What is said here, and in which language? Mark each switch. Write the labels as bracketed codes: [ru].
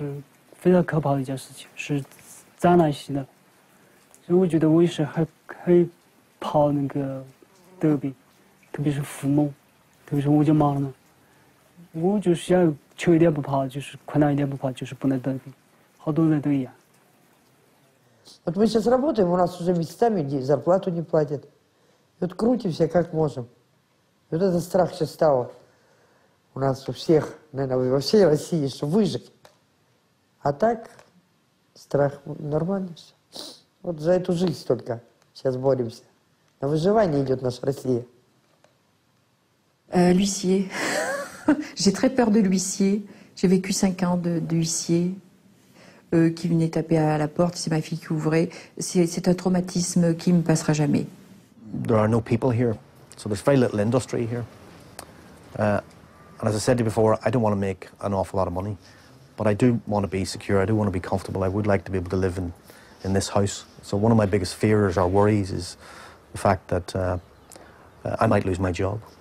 [zh] 最后大家就很怕的事情就是得病吧听说是甲亢问题对好多人来说都是更是最可怕的一件事情特别是在农民了嘛他第一没有什么医疗保险第二就是积蓄不多一般的农民来说所以只要有病就是非常可怕的一件事情是灾难性的 [ru] Мы сейчас работаем, у нас уже местами зарплату не платят. И вот крутимся как можем. И вот этот страх сейчас стал у нас у всех, наверное, во всей России, что выжить. А так страх нормально все. Вот за эту жизнь только сейчас боремся. На выживание идет наша Россия. [fr] L'huissier. J'ai très peur de l'huissier. J'ai vécu 5 ans de huissier qui venait taper à la porte. C'est ma fille qui ouvrait. C'est un traumatisme qui ne me passera jamais. [en] There are no people here. So there's very little industry here. And as I said before, I don't want to make an awful lot of money. But I do want to be secure. I do want to be comfortable. I would like to be able to live in this house. So one of my biggest fears or worries is the fact that I might lose my job.